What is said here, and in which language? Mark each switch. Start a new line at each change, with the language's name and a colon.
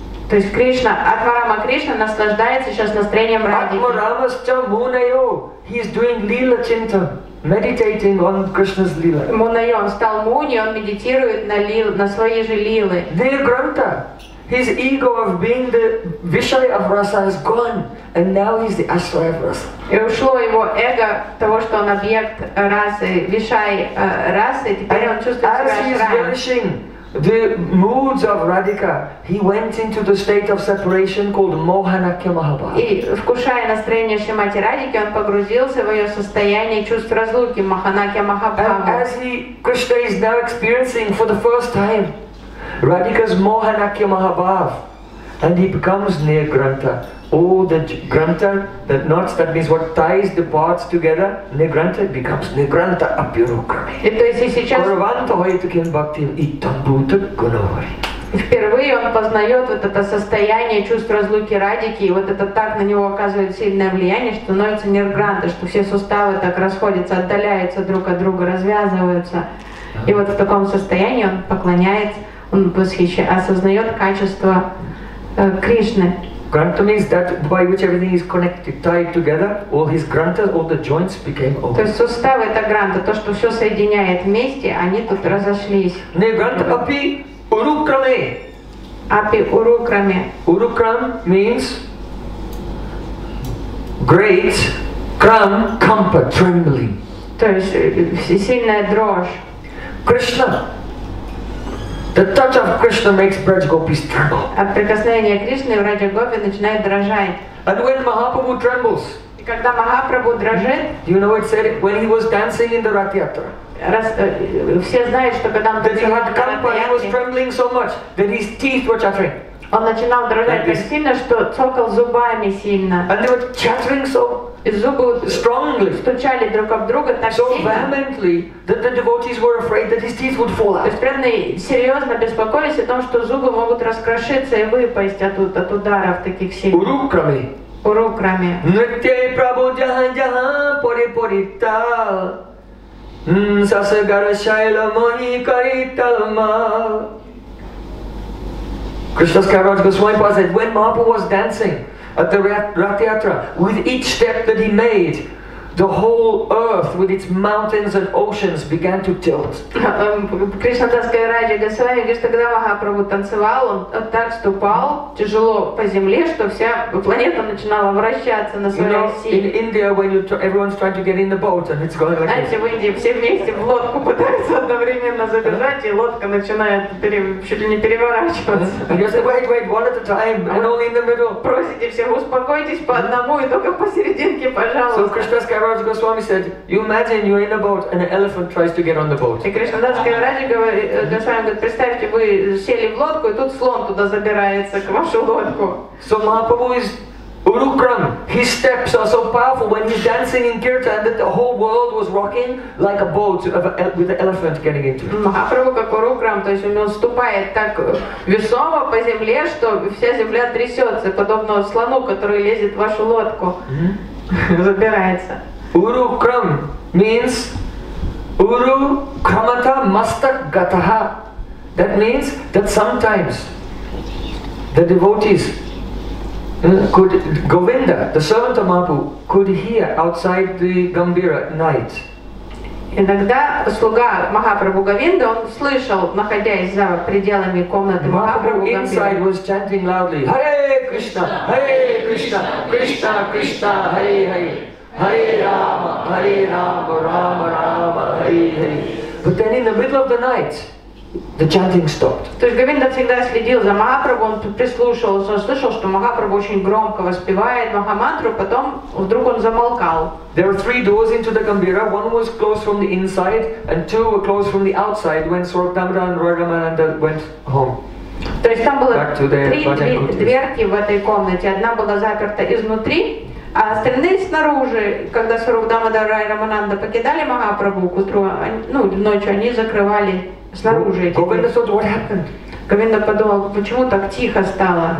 Russian: То есть Кришна, Атмарама Кришна наслаждается сейчас настроением Радхи.
Sanskrit: Atmarama stha munayo,
English: he is doing lila chintan. Meditating on Krishna's lila.
Russian: Munayo, он стал муни, он медитирует на лил, на своей же лилы.
English: Nirgranta, his ego of being the Vishaya of rasa is gone, and now he's the Ashraya of rasa.
Russian: И ушло его эго того, что он объект расы, Вишай расы, теперь он чувствует себя Ashraya.
English: As he is vanishing the moods of Radhika, he went into the state of separation called Mohanakya Mahabhava.
Russian: И вкушая настроение Шримати Радхики, он погрузился в ее состояние чувств разлуки Mohanakya Mahabhava.
English: As he, Krishna is now experiencing for the first time Radhika's Mohanakya Mahabhava, and he becomes Nirgranta. Oh, the Granta, the knots, that means what ties the parts together, Nirgranta becomes Nirgranta Apyurukrami.
Russian: То есть и сейчас...
Sanskrit: Корванта Хойтукин Бхактин и Тамбута Гунавари.
Russian: Впервые он познает вот это состояние чувств разлуки Радхики, и вот это так на него оказывает сильное влияние, что становится Нирграна, что все суставы так расходятся, отдаляются друг от друга, развязываются. И вот в таком состоянии он поклоняется, он восхищается, осознает качество Кришны.
English: Granta means that by which everything is connected, tied together, all his grantas, all the joints became open.
Russian: То есть суставы это гранта, то, что все соединяет вместе, они тут разошлись.
Sanskrit: Nirgranta api urukrame. Api urukrame.
English: Urukram means great kram kampa, trembling.
Russian: То есть сильная дрожь.
English: Krishna. The touch of Krishna makes Braj Gopis tremble.
Russian: От прикосновения Кришны в Радже Гопи начинает дрожать.
English: And when Mahaprabhu trembles,
Russian: и когда Махапрабху дрожит,
English: do you know what it said? When he was dancing in the Rath Yatra.
Russian: Все знают, что когда он танцевал на Ратха Ятре, he was trembling so much that his teeth were chattering. Он начинал дрожать так сильно, что цокал зубами сильно.
English: And they were chattering so
Russian: зубы
English: strongly,
Russian: стучали друг об друга так
English: so
Russian: сильно,
English: vehemently, that the devotees were afraid that his teeth would fall out.
Russian: То есть преданные серьезно беспокоились о том, что зубы могут раскрошиться и выпасть от ударов таких сильных. Урукрами. Урукрами.
Sanskrit: Нритте прабу джахан джахан пори пори тал. Сасагара шайла мани кари талма.
English: Krishna's Kaviraj Goswami Pada said, when Mahaprabhu was dancing at the Rath Yatra, with each step that he made, the whole earth with its mountains and oceans began to tilt.
Russian: Krishna Das Kaviraj Goswami говорит, что когда Махапрабху танцевал, он так ступал тяжело по земле, что вся планета начинала вращаться на своей оси.
English: In India, when everyone's trying to get in the boat and it's going like this.
Russian: Знаете, в Индии все вместе в лодку пытаются одновременно забежать, и лодка начинает чуть ли не переворачиваться.
English: You say, wait, wait, one at a time, and only in the middle.
Russian: Просите всех, успокойтесь по одному и только посерединке, пожалуйста.
English: Kaviraj Goswami said, you imagine you're in a boat and an elephant tries to get on the boat.
Russian: И Кришнадас Кавираджи говорит, представьте, вы сели в лодку, и тут слон туда забирается, к вашу лодку.
English: So Mahaprabhu is Urukram. His steps are so powerful when he's dancing in Kirtan that the whole world was rocking like a boat with an elephant getting into it.
Russian: Mahaprabhu как Урукрам, то есть у него ступает так весомо по земле, что вся земля трясется, подобно слону, который лезет в вашу лодку. Забирается.
English: Urukram means
Sanskrit: Uru Kramata Mastak Gataha.
English: That means that sometimes the devotees could, Govinda, the servant of Mahaprabhu, could hear outside the Gambira at night.
Russian: Иногда слуга Махапрабху Говинда, он слышал, находясь за пределами комнаты Махапрабху Говинда.
English: Mahaprabhu inside was chanting loudly, Hare Krishna, Hare Krishna, Krishna Krishna, Hare Hare, Hare Rama, Hare Rama, Rama Rama, Hare Hare. But then in the middle of the night, the chanting stopped.
Russian: То есть Говинда всегда следил за Махапрабху, он прислушивался, он слышал, что Махапрабху очень громко воспевает Махамантру, потом вдруг он замолкал.
English: There were three doors into the Gambhira. One was closed from the inside, and two were closed from the outside when Swarupdamana and Raghamananda went home.
Russian: То есть там было три дверки в этой комнате. Одна была заперта изнутри, а остальные снаружи, когда Сварупдамодара и Рамананда покидали Махапрабху к утру, ну, ночью они закрывали снаружи эти двери.
English: Говинда thought, what happened?
Russian: Говинда подумал, почему так тихо стало.